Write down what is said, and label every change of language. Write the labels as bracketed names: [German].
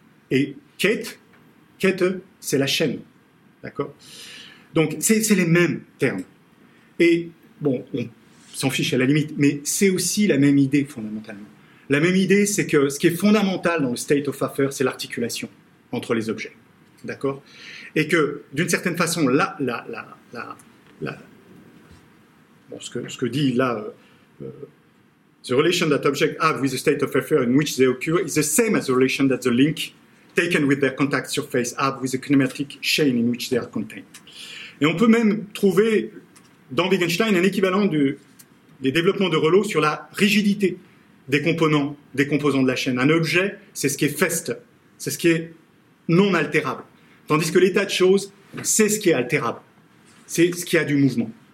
[French] Et kettle, c'est la chaîne. D'accord ? Donc, c'est les mêmes termes. Et, bon, on s'en fiche à la limite, mais c'est aussi la même idée, fondamentalement. La même idée, c'est que ce qui est fondamental dans le state of affairs, c'est l'articulation entre les objets. D'accord ? Et que, d'une certaine façon, [English] the relation that objects have with the state of affairs in which they occur is the same as the relation that the link taken with their contact surface have with the kinematic chain in which they are contained. [French] Et on peut même trouver dans Wittgenstein un équivalent des développements de relot sur la rigidité des composants de la chaîne. Un objet, c'est ce qui est feste, c'est ce qui est non altérable. Tandis que l'état de choses, c'est ce qui est altérable. C'est ce qui a du mouvement.